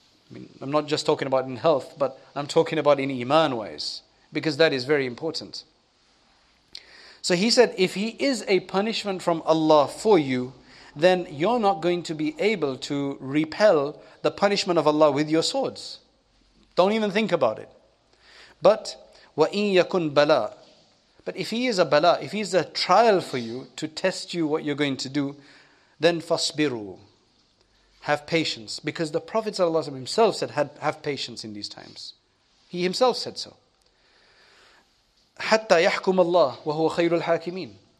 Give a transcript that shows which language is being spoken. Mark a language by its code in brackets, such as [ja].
[en] I mean, I'm not just talking about in health, but I'm talking about in iman wise, because that is very important. So he said, if he is a punishment from Allah for you, then you're not going to be able to repel the punishment of Allah with your swords. Don't even think about it. But [ar] وَإِن يَكُنْ بَلَىٰ. [en] But if he is a bala, if he is a trial for you, to test you what you're going to do, then fasbiru, have patience. Because the Prophet ﷺ himself said, have patience in these times. He himself said so. [ar] حَتَّى يَحْكُمَ اللَّهُ وَهُوَ خَيْرُ الْحَاكِمِينَ.